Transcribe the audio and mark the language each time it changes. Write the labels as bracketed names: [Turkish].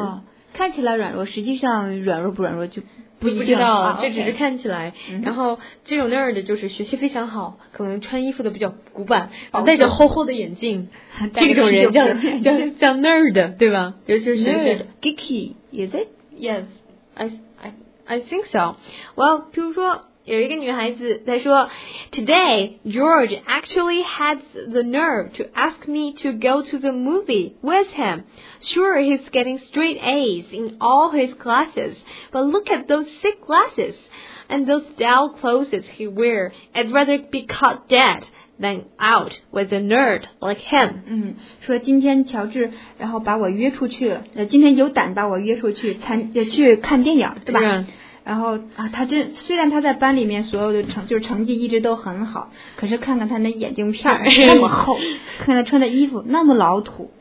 [Chinese] 哦、看起来软弱，实际上软弱不软弱就不知道，这只是看起来、 [English] okay、 [Chinese] 然后这种 nerd 就是学习非常好，可能穿衣服的比较古板，戴着厚厚的眼镜，这种人叫 nerd 对吧，尤其是 [English] nerd geeky is it yes I think so。 well [Chinese] 比如说有一个女孩子在说 [English] today George actually had the nerve to ask me to go to the movie with him. Sure, he's getting straight A's in all his classes, but look at those thick glasses and those dull clothes he wear. I'd rather be caught dead than out with a nerd like him. [Chinese] 嗯，说今天乔治然后把我约出去了，今天有胆把我约出去去看电影，对吧？对，然后啊，他这虽然他在班里面所有的成绩一直都很好，可是看看他那眼镜片那么厚，看他穿的衣服那么老土，